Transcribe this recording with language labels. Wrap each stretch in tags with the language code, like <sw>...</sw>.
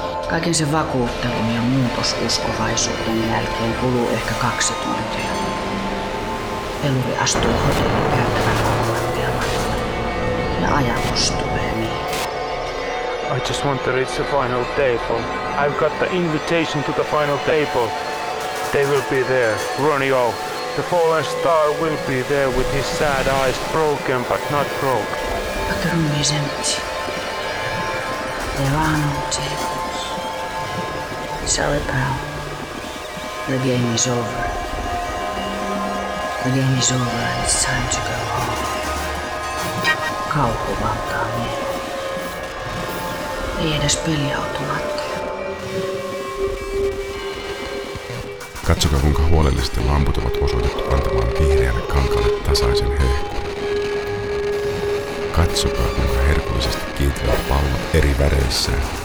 <fi>Kaiken sen vakuuttelun ja muutosuskovaisuuden jälkeen kuluu ehkä 2 tuntia. Peluri astuu hotellin käytävän kohdattelman. Ja ajatus tulee niin.</fi> <en>I just want to reach the final table. I've got the invitation to the final table. They will be there, Ronnie O. The fallen star will be there with his sad eyes broken but not broke. But the room is empty. There are no tables. Sally, pal, the game is over. The game is over and it's time to go home.</en> <fi>Kauhu valtaa miehen. Ei edes peliautomaattia. Katsokaa, kuinka huolellisesti lamput ovat osoitettu antamaan vihreälle kankalle tasaisen hehkun. Katsokaa, kuinka herkullisesti kiiltävät pallot eri väreissään.</fi>